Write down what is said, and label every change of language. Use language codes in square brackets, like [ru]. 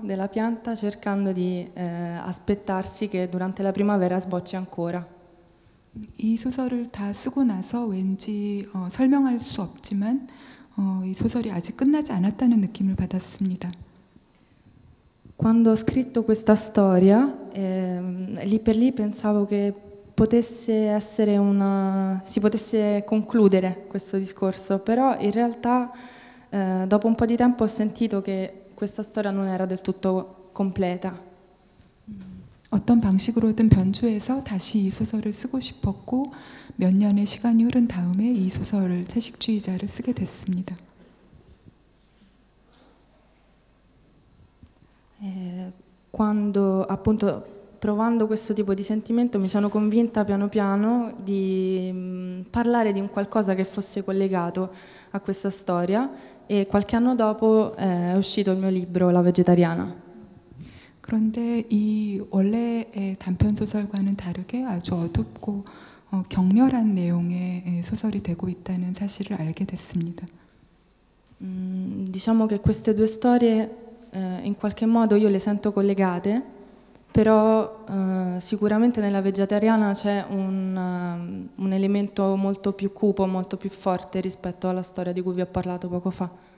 [it] Della pianta, cercando di aspettarsi che durante la primavera sbocci ancora. [ko] 이 소설을 다 쓰고 나서 왠지 설명할 수 없지만 이 소설이 아직 끝나지 않았다는 느낌을 받았습니다. [it] Quando ho scritto questa storia, lì per lì pensavo che potesse essere una si potesse concludere questo discorso, però in realtà dopo un po' di tempo ho sentito che questa storia non era del tutto completa. [ko] 어떤 방식으로든 변주해서 다시 이 소설을 쓰고 싶었고 몇 년의 시간이 흐른 다음에 이 소설을 채식주의자를 쓰게 됐습니다. [it] Quando appunto provando questo tipo di sentimento mi sono convinta piano piano di parlare di un qualcosa che fosse collegato a questa storia e qualche anno dopo è uscito il mio libro La Vegetariana. [ko] 그런데 이 원래의 단편 소설과는 다르게 아주 어둡고 격렬한 내용의 소설이 되고 있다는 사실을 알게 됐습니다. [it] Diciamo che queste due storie in qualche modo io le sento collegate, però sicuramente nella Vegetariana c'è un elemento molto più cupo, molto più forte rispetto alla storia di cui vi ho parlato poco fa.